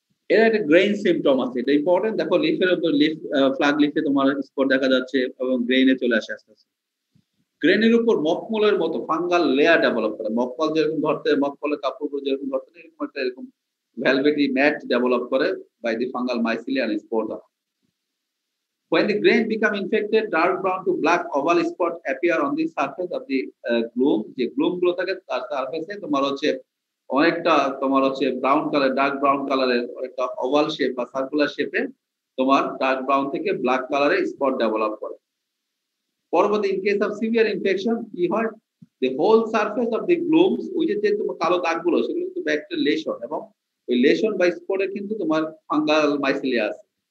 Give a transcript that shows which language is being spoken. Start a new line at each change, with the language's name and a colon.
Bangla: এর একটা grain symptom আছে, এটা ইম্পর্টেন্ট। দেখো লিফের উপর লিফ ফ্ল্যাগ লিফে তোমার স্পট দেখা যাচ্ছে এবং গ্রেইনে চলে আসে আস্তে আস্তে। গ্রেনের উপর মকমলের মতো ফাঙ্গাল লেয়ার ডেভেলপ করে, মকমল যেরকম ধরতে, মকমলের কাপড় উপর যেরকম ধরতে, এরকম একটা এরকম ভেলভেটি ম্যাট ডেভেলপ করে
English: By the fungal mycelium spot. When the grain become infected, dark brown to black oval spot appear on the surface of the gloom.
Bangla: যে গ্লুম গুলো থাকে তার সার্ফেসে তোমার হচ্ছে অনেকটা তোমার হচ্ছে ব্রাউন কালার, ডার্ক ব্রাউন কালারের অনেকটা ওভাল শেপ বা সার্কুলার শেপে তোমার ডার্ক ব্রাউন থেকে ব্ল্যাক কালারে স্পট ডেভেলপ করে। পরবর্তী
English: in case of severe infection
Bangla: কি হয়,
English: the whole surface of the glume,
Bangla: ওই যে তোমার কালো দাগগুলো সেগুলো কিন্তু ব্যাকটেরিয়াল লেশন, এবং ওই লেশন বা স্পটে কিন্তু তোমার ফাঙ্গাল মাইসিলিয়া আছে।